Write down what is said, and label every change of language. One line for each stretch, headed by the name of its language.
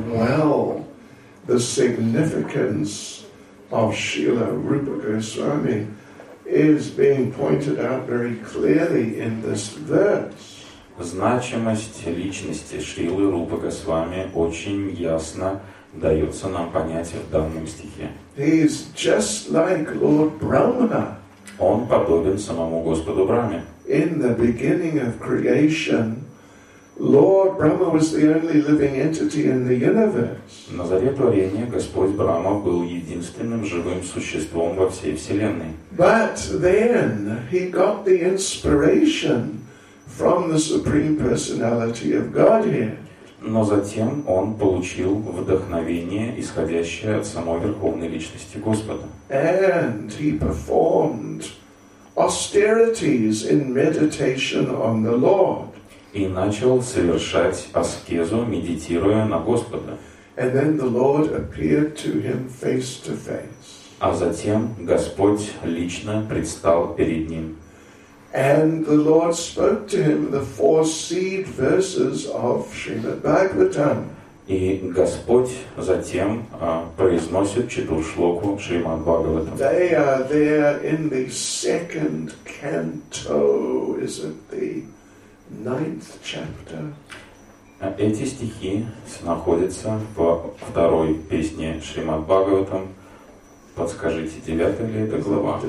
English: Well, the significance of Srila Rupa Goswami is being pointed out very clearly in this verse.
Russian: Значимость личности Шрилы Рупы Госвами очень ясно дается нам понять в данном стихе.
English: He is just like Lord Brahma.
Russian: Он подобен самому Господу Брахме.
English: In the beginning of creation, Lord Brahma was the only living entity in the universe.
Russian: На заре творения Господь Брахма был единственным живым существом во всей вселенной.
English: But then he got the inspiration from the Supreme Personality of Godhead.
Russian: Но затем он получил вдохновение, исходящее от самой Верховной Личности Господа.
English: And he performed austerities in meditation on the Lord.
Russian: И начал совершать аскезу, медитируя на Господа.
English: And then the Lord appeared to him face to face.
Russian: А затем Господь лично предстал перед ним.
English: And the Lord spoke to him the four seed verses of Srimad Bhagavatam.
Russian: И Господь затем произносит четуршлоку Шримад Бхагаватам.
English: They are there in the second canto, is it the ninth chapter?
Russian: Эти стихи находятся в второй песне Шримад Бхагаватам. Подскажите, девятая ли это глава?